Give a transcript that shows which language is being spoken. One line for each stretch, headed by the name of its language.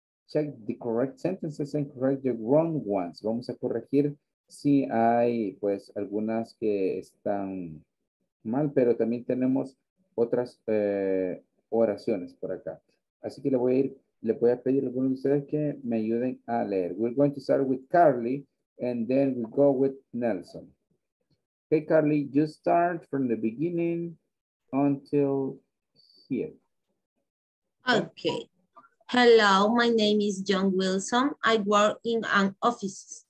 English: Check the correct sentences and correct the wrong ones.
Spanish: Vamos a corregir si hay pues algunas que están mal, pero también tenemos otras oraciones por acá. Así que le voy a pedir a algunos de ustedes que me ayuden a leer.
English: We're going to start with Carly and then we go with Nelson. Okay, Carly, you start from the beginning until here. Okay. Hello, my name is John Wilson. I work in an office.